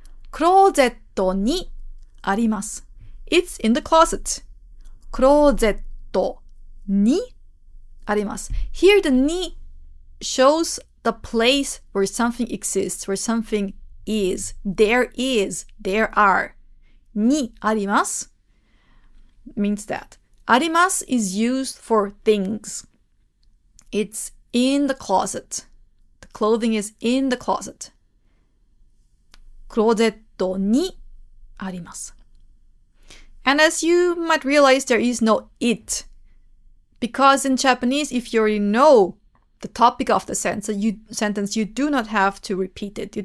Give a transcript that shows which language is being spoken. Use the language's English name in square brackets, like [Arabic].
[Japanese] クローゼットにあります。 [English] It's in the closet. [Japanese] クローゼットにあります。 [English] Here the に shows the place where something exists, where something is. There is, there are. [Japanese] にあります [English] means that. あります is used for things. It's in the closet. The clothing is in the closet. [Japanese] クローゼットにあります。 [English] And as you might realize, there is no it. Because in Japanese, if you already know the topic of the sentence, you do not have to repeat it.